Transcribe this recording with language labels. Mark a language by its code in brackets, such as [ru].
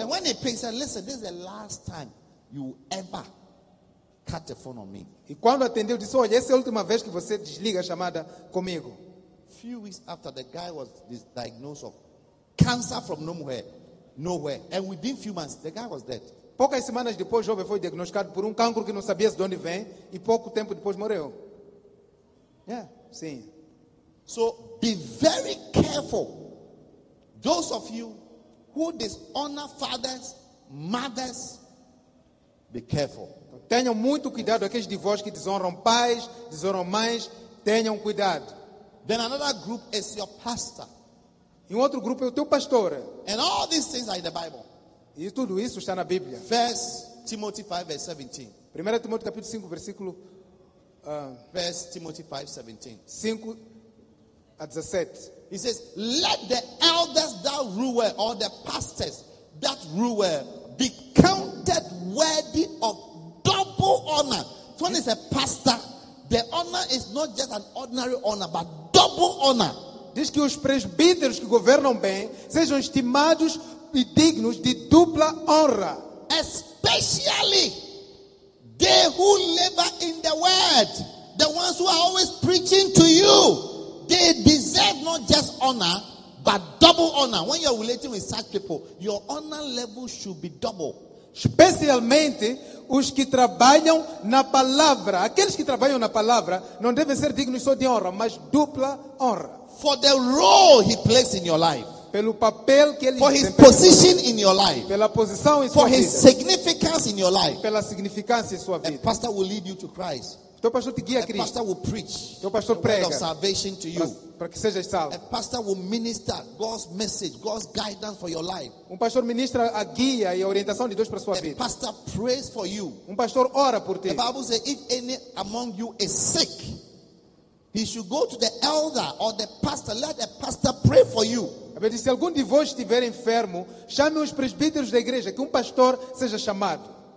[en] And when he picked, he said, "Listen, this is the last time you ever cut the phone on me." [pt] E quando atendeu disse, "Olha, essa é a última vez que você desliga a chamada comigo." [en] Few weeks after the guy was diagnosed of cancer from nowhere, and within few months the guy was dead. [pt] Poucas semanas depois, o jovem foi diagnosticado por câncer que não sabia de onde vem, e pouco tempo depois morreu. [en] Yeah, [pt] sim. [en] So be very careful. Those of you who dishonor fathers, mothers, be careful. [pt] Tenham muito cuidado aqueles de vós que desonram pais, desonram mães. Tenham cuidado. [en] Then another group is your pastor. [pt] Em outro grupo é o teu pastor. [en] And all these things are in the Bible. [pt] E tudo isso está na Bíblia. [en] 1 Timothy 5 verse 17. [pt] 1 Timóteo capítulo 5 versículo [en] 1 Timothy 5 17. [pt] 5 a 17. [en] He says, "Let the elders that rule or the pastors that rule be counted worthy of double honor." So when it's a pastor, the honor is not just an ordinary honor, but double honor. [pt] Diz que os presbíteros que governam bem sejam estimados e dignos de dupla honra. [en] Especially they who labor in the word, the ones who are always preaching to you, they deserve not just honor, but double honor. When you're relating with such people, your honor level should be double. [pt] Especialmente os que trabalham na palavra. Aqueles que trabalham na palavra não devem ser dignos só de honra, mas dupla honra. [en] For the role he plays in your life. [pt] Pelo papel que ele [en] for his position in your life. [pt] Pela posição em [en] for [pt] sua [en] his [pt] vida. [en] Significance in your life. [pt] Pela significância em sua vida. [en] A pastor will lead you to Christ. [pt] Teu pastor te guia a Cristo. [en] A pastor will preach. [pt] Teu pastor [en] the [pt] prega. [en] Word of salvation to you. [pt] Para que sejas salvo. [en] A pastor will minister God's message, God's guidance for your life. [pt] Pastor ministra a guia e a orientação de Deus para sua a vida. [en] A pastor prays for you. [pt] Pastor ora por ti. [en] The Bible says if any among you is sick, he should go to the elder or the pastor. Let the pastor pray for you. [pt] Se algum de vós estiver enfermo, chame os presbíteros da igreja, que pastor seja chamado.